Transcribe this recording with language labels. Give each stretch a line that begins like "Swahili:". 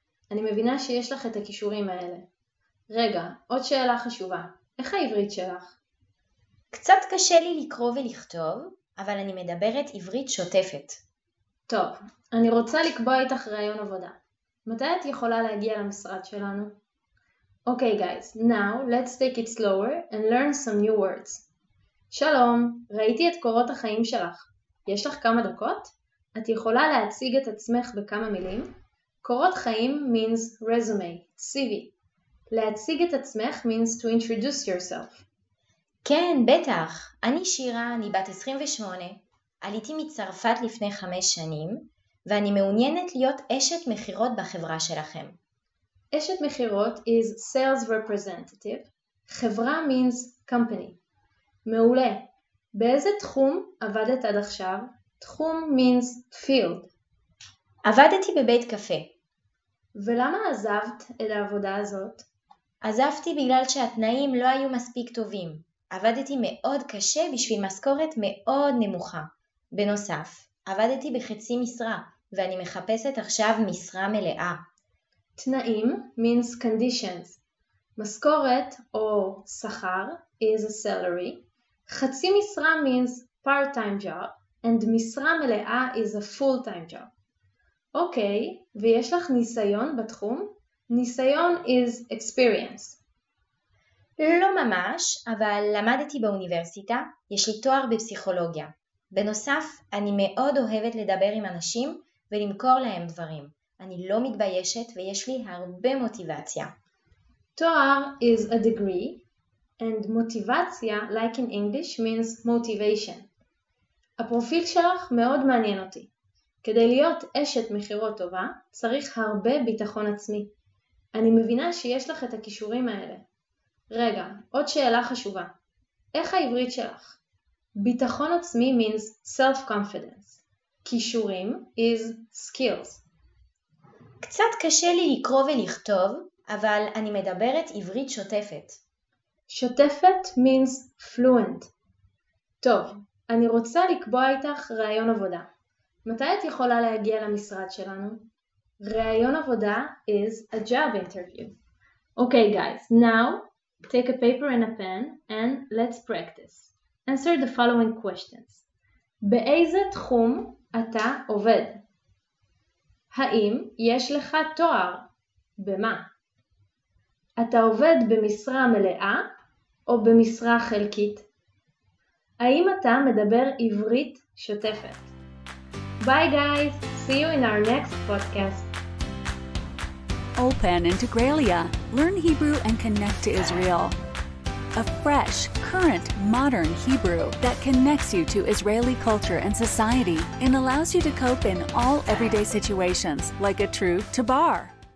Hebrew: אני מבינה שיש לך את הכישורים האלה. רגע, עוד שאלה חשובה. איך העברית שלך? קצת קשה לי לקרוא ולכתוב, אבל אני מדברת עברית שוטפת. טוב, אני רוצה לקבוע איתך רעיון עבודה. מתי את יכולה להגיע למשרד שלנו?
English: אוקיי, guys, now let's take it slower and learn some new words.
Hebrew: שלום, ראיתי את קורות החיים שלך. יש לך כמה דקות? את יכולה להציג את עצמך בכמה מילים? קורות חיים
English: means resume, CV.
Hebrew: להציג את עצמך
English: means to introduce yourself.
Hebrew: כן, בטח. אני שירה, אני בת 28. עליתי מצרפת לפני 5 שנים, ואני מעוניינת להיות אשת מכירות בחברה שלכם. אשת מכירות
English: is sales representative. חברה means company.
Hebrew: מעולה. באיזה תחום עבדת עד עכשיו?
English: תחום means field.
Hebrew: עבדתי בבית קפה. ולמה עזבת את העבודה הזאת? עזבתי בגלל שהתנאים לא היו מספיק טובים. עבדתי מאוד קשה בשביל משכורת מאוד נמוכה. בנוסף, עבדתי בחצי משרה, ואני מחפשת עכשיו משרה מלאה.
English: תנאים means conditions.
Hebrew: משכורת או שכר
English: is a salary.
Hebrew: חצי משרה
English: means part-time job, and
Hebrew: משרה מלאה
English: is a full-time job.
Hebrew: אוקיי, ויש לך ניסיון בתחום?
English: ניסיון is experience.
Hebrew: לא ממש, אבל למדתי באוניברסיטה, יש לי תואר בפסיכולוגיה. בנוסף, אני מאוד אוהבת לדבר עם אנשים ולמכור להם דברים. אני לא מתביישת ויש לי הרבה מוטיבציה.
English: תואר is a degree, and motivatia, like in English, means motivation.
Hebrew: הפרופיל שלך מאוד מעניין אותי. כדי להיות אשת מכירות טובה, צריך הרבה ביטחון עצמי. אני מבינה שיש לך את הכישורים האלה. רגע, עוד שאלה חשובה. איך העברית שלך? ביטחון עצמי
English: means self-confidence. כישורים is skills.
Hebrew: קצת קשה לי לקרוא ולכתוב, אבל אני מדברת עברית שוטפת.
English: שוטפת means fluent.
Hebrew: טוב, אני רוצה לקבוע איתך רעיון עבודה. מתי את יכולה להגיע למשרד שלנו? רעיון עבודה
English: is a job interview. Okay guys, now take a paper and a pen and let's practice. Answer the following questions.
Hebrew: באיזה תחום אתה עובד? האם יש לך תואר? במה? אתה עובד במשרה מלאה או במשרה חלקית? האם אתה מדבר עברית שוטפת?
English: Bye guys, see you in our next podcast. Ulpan Integraliah. Learn Hebrew and connect to Israel. A fresh, current, modern Hebrew that connects you to Israeli culture and society and allows you to cope in all everyday situations like a true tabar.